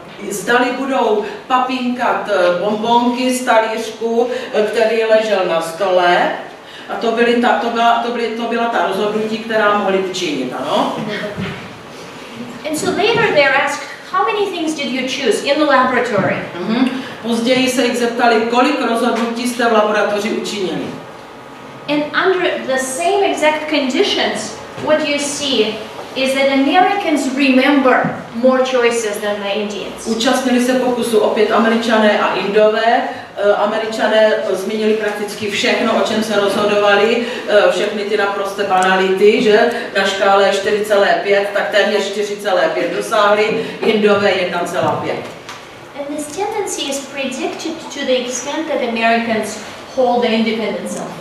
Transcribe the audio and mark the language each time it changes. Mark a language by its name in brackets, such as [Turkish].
[Czech] Zdali budou papínkat bombonky z talířku, který ležel na stole. A to byla ta rozhodnutí, která mohli učinit, ano? [English] And so later they're asked, how many things did you choose in the laboratory? Mm-hmm. [Czech] Později se jich zeptali, kolik rozhodnutí jste v laboratoři učinili. [English] And under the same exact conditions, what you see is that Americans remember more choices than the Indians. [Czech] Účastnili se pokusu opět Američané a Indové. Američané zmínili prakticky všechno, o čem se rozhodovali, všechny ty naprosté banality, že na škále 4,5, tak téměř 4,5 dosáhli, Indové 1,5. [English] And this tendency is predicted to the extent that Americans hold the independence.